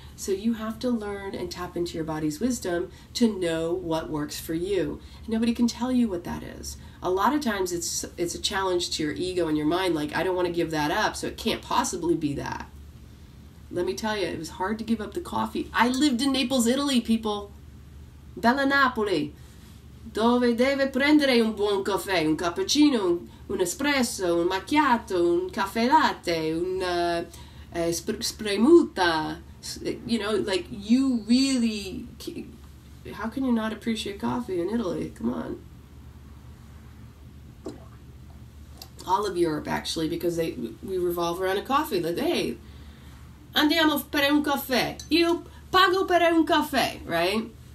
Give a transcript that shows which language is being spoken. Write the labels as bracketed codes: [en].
[en] So you have to learn and tap into your body's wisdom to know what works for you. Nobody can tell you what that is. A lot of times it's a challenge to your ego and your mind, like, I don't want to give that up, so it can't possibly be that. Let me tell you, it was hard to give up the coffee. I lived in Naples, Italy, people. [it] Bella Napoli. Dove deve prendere un buon caffè, un cappuccino, un espresso, un macchiato, un caffè latte, un spremuta. [en] You know, like, you really, how can you not appreciate coffee in Italy? Come on. All of Europe, actually, because we revolve around a coffee. Like, hey, [it] andiamo per un caffè. Io pago per un caffè, [en] right?